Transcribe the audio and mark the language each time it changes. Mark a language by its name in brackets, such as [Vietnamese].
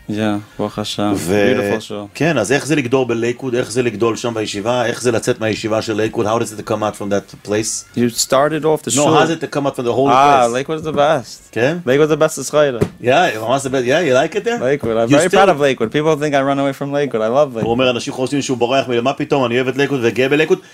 [Hebrew] יא, ברוך השם, [English] beautiful show. [Hebrew] כן, אז איך זה לגדול בלייקווד? איך זה לגדול שם בישיבה? איך זה לצאת מהישיבה של לייקווד? [English] How does it come out from that place? You started off the show. No, how does it come out from the whole place? Ah, Lakewood is the best. [Hebrew] כן? [English] Lakewood is the best Israel. Yeah, [Hebrew] ממש הבאת, [English] yeah, you like it there? Lakewood, I'm very proud of Lakewood. People think I run away from Lakewood, I love Lakewood. [Hebrew] הוא אומר, אנשים חושבים שהוא בורח מלמה פתאום, אני אוהב את לייקווד וגאה בלייקווד.